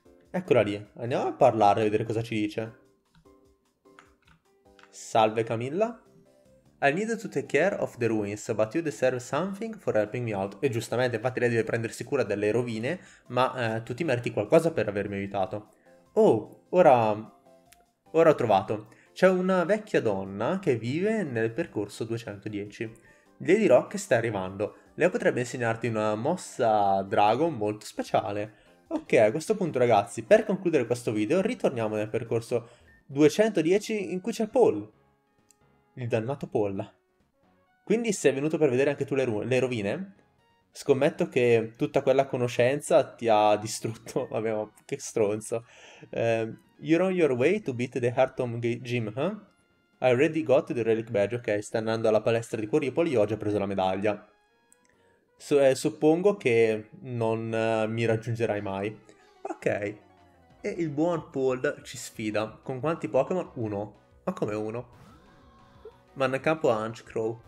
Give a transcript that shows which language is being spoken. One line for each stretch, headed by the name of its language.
Italian: Eccola lì, andiamo a parlare e vedere cosa ci dice. Salve Camilla.
English: I need to take care of the ruins, but you deserve something for helping me out.
Italian: E giustamente, infatti lei deve prendersi cura delle rovine, ma tu ti meriti qualcosa per avermi aiutato. Oh, ora ho trovato. C'è una vecchia donna che vive nel percorso 210. Le dirò che stai arrivando. Lei potrebbe insegnarti una mossa drago molto speciale. Ok, a questo punto ragazzi, per concludere questo video, ritorniamo nel percorso 210 in cui c'è Paul. Il dannato Paul. Quindi sei venuto per vedere anche tu le rovine? Scommetto che tutta quella conoscenza ti ha distrutto. Vabbè, ma che stronzo.
English: You're on your way to beat the Heartome Gym, huh? I already got the Relic Badge.
Italian: Ok, stai andando alla palestra di Coriopoli, io ho già preso la medaglia. Suppongo che non mi raggiungerai mai. Ok. E il buon Pold ci sfida. Con quanti Pokémon? Uno. Ma come uno? Ma nel campo Hunchcrow.